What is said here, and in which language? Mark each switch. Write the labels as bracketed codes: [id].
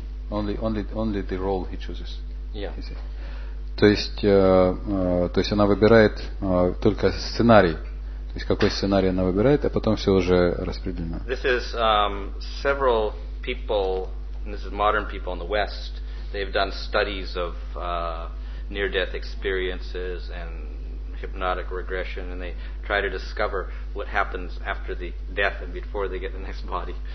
[en] only the role he chooses. Yeah. [ru] То есть она выбирает только сценарий. То есть какой сценарий она выбирает, а потом все уже распределено. [en] This is several people, and this is modern people in the West. They've done studies of near-death experiences and hypnotic regression, and they try to discover what happens after the death and before they get the next body.